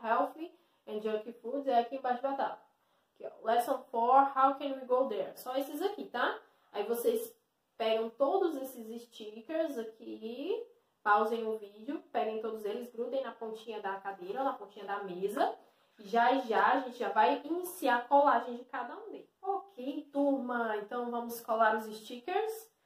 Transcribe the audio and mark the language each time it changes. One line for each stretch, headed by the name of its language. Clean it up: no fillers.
English: Healthy and junk foods,
Portuguese: é aqui embaixo da tabela.
English: Lesson 4, how can we go there?
Portuguese: Só esses aqui, tá? Aí vocês pegam todos esses stickers aqui, pausem o vídeo, peguem todos eles, grudem na pontinha da cadeira, na pontinha da mesa, e já já a gente já vai iniciar a colagem de cada um deles. Ok, turma, então vamos colar os stickers.